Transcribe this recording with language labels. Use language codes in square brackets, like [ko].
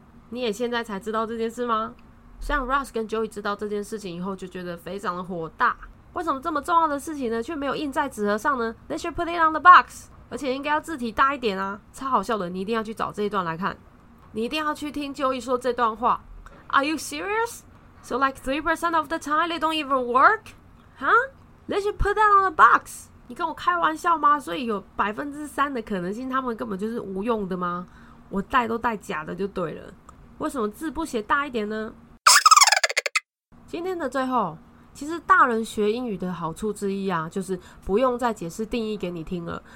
[zh] 你也现在才知道这件事吗？像 Russ 跟 Joey 知道这件事情以后就觉得非常的火大，为什么这么重要的事情呢却没有印在纸盒上呢？ [en] They should put it on the box， [zh] 而且应该要字体大一点啊，超好笑的。你一定要去找这一段来看，你一定要去听 Joey 说这段话。 [en] Are you serious? So like 3% of the time they don't even work? Huh? They should put that on the box。 [zh] 你跟我开玩笑吗？所以有 3% 的可能性他们根本就是无用的吗？我带都带假的就对了，为什么字不写大一点呢？今天的最后，其实大人学英语的好处之一啊，就是不用再解释定义给你听了。